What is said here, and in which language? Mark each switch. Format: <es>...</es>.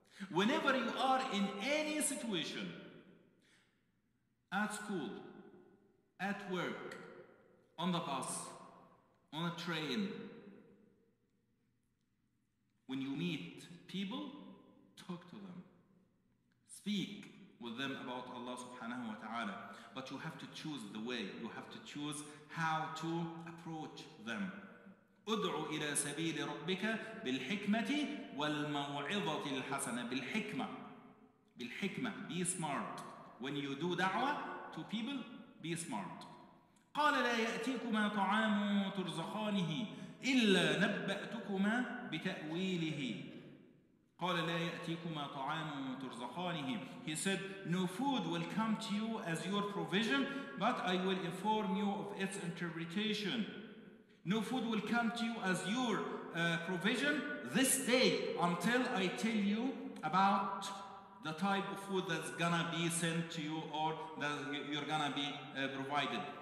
<en>Whenever you are in any situation, at school, at work, on the bus, on a train, when you meet people, talk to them. Speak with them about Allah subhanahu wa ta'ala. But you have to choose the way. You have to choose how to approach them.</en> <ar>ادعو إلى سبيل ربك بالحكمة والموعظة الحسنة. بالحكمة. بالحكمة.</ar> <en>Be smart. When you do da'wah to people, be smart.</en> <ar>قال لا يأتيكما طعام ترزقانه إلا نبأتكما بتأويله. قال لا يأتيكما طعام ترزقانه.</ar> <en>He said, no food will come to you as your provision, but I will inform you of its interpretation. No food will come to you as your provision this day until I tell you about the type of food that's gonna be sent to you or that you're gonna be provided.</en>